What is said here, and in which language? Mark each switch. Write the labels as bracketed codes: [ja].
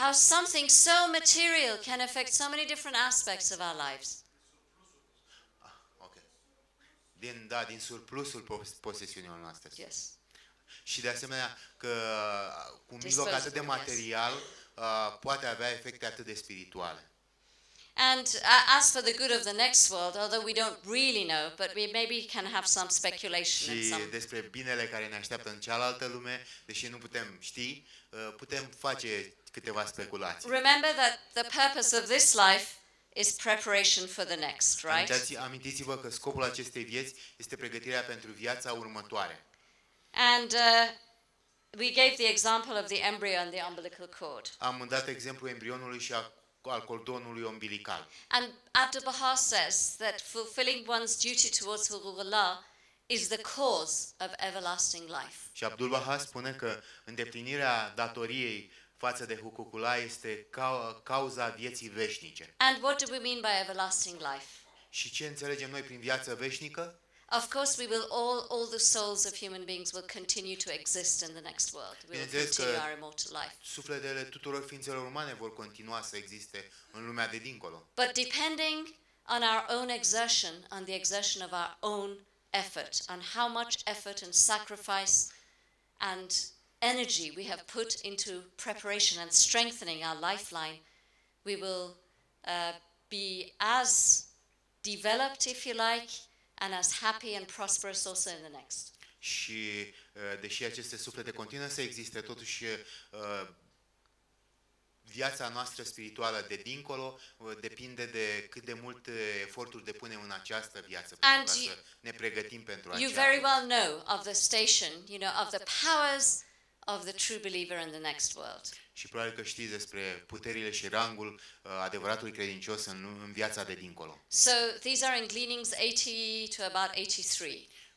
[en] How something so material can affect so many different aspects of our lives. [ro] Din surplusul posesiunilor noastre. [en] Yes. [ro] Și de asemenea că cu un mijloc atât de material poate avea efecte atât de spirituale. [en] And as for the good of the next world, although we don't really know, but we maybe can have some speculation. [ro] Și despre binele care ne așteaptă în cealaltă lume, deși nu putem ști, putem face câteva speculații. [en] Remember that the purpose of this life is preparation for the next, right? [ro] Amintiți-vă că scopul acestei vieți este pregătirea pentru viața următoare. [en] And we gave the example of the embryo and the umbilical cord. [ro] Am dat exemplu embrionului și al cordonului umbilical. [en] And Abdu'l-Bahá says that fulfilling one's duty towards Hu'u'llah is the cause of everlasting life. [ro] Și Abdu'l-Bahá spune că îndeplinirea datoriei față de Hu'u'llah este cauza vieții veșnice. [en] And what do we mean by everlasting life? [ro] Și ce înțelegem noi prin viață veșnică? [en] Of course we will all the souls of human beings will continue to exist in the next world. We will continue our immortal life. [ro] Sufletele tuturor ființelor umane vor continua să existe în lumea de dincolo. [en] But depending on our own exertion, on the exertion of our own effort, on how much effort and sacrifice and energy we have put into preparation and strengthening our lifeline, we will be as developed, if you like, and as happy and prosperous also in the next. [ro] Și deși aceste suflete continuă să existe, totuși viața noastră spirituală de dincolo depinde de cât de mult eforturi depunem în această viață pentru ca să ne pregătim pentru aceea. [en] You very well know of the station, you know, of the powers of the true believer in the next world. [ro] Și probabil că știți despre puterile și rangul adevăratului credincios în viața de dincolo. [en] So these are in Gleanings 80 to about 83.